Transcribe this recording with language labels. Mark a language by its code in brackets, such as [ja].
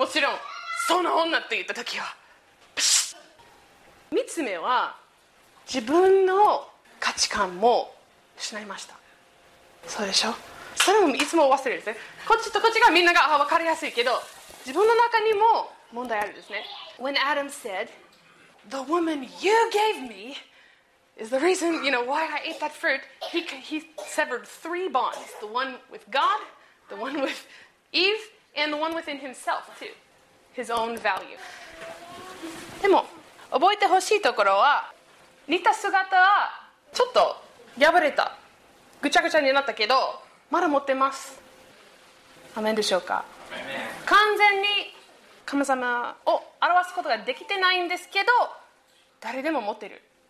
[ja] もちろんその女って言った時はピシッ。三つ目は自分の価値観も失いました。そうでしょ。それもいつも忘れるんですね。こっちとこっちがみんなが分かりやすいけど、自分の中にも問題あるんですね。 [en] When Adam said The woman you gave me is the reason, you know, why I ate that fruit. He severed three bonds. The one with God, the one with Eve, and the one within himself, too. His own value. [ja] でも、覚えてほしいところは、似た姿はちょっと破れた。ぐちゃぐちゃになったけど、まだ持ってます。アメンでしょうか。完全に神様を表すことができてないんですけど、誰でも持ってる。